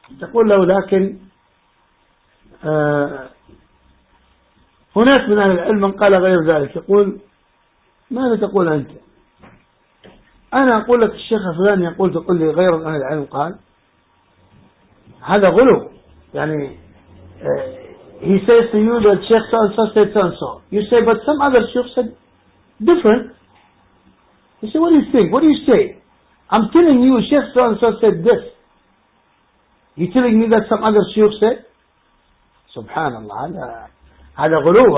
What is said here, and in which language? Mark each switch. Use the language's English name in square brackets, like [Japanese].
[Arabic] تقول له لكن هناك من أهل العلم قال غير ذلك. يقول ماذا تقول أنت؟ أنا أقول لك الشيخ فلان يقول تقول لي غير أهل العلم قال، هذا غلو. يعني [English] he says to you that Sheikh so and so said so and so. You say but some other Sheikh said different. You say what do you think? What do you say? I'm telling you Sheikh so and so said this. You're telling me that some other Sheikh said. [Arabic] Subhanallah, هذا غلو.